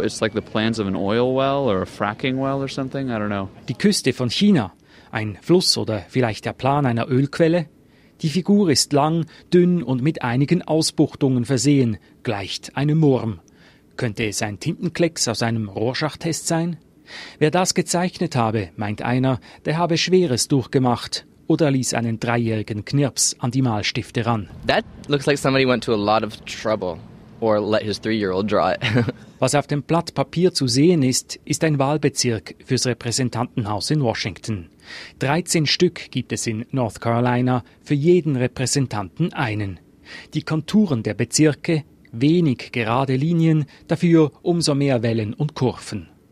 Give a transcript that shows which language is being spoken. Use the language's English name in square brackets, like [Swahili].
[English] It's like the plans of an oil well or a fracking well or something. I don't know. [German] Die Küste von China. Ein Fluss oder vielleicht der Plan einer Ölquelle? Die Figur ist lang, dünn und mit einigen Ausbuchtungen versehen, gleicht einem Murm. Könnte es ein Tintenklecks aus einem Rorschach-Test sein? Wer das gezeichnet habe, meint einer, der habe Schweres durchgemacht oder ließ einen dreijährigen Knirps an die Malstifte ran. [English] That looks like somebody went to a lot of trouble. Or let his three-year-old draw it. [German] Was auf dem Blatt Papier zu sehen ist, ist ein Wahlbezirk fürs Repräsentantenhaus in Washington. 13 Stück gibt es in North Carolina, für jeden Repräsentanten einen. Die Konturen der Bezirke, wenig gerade Linien, dafür umso mehr Wellen und Kurven.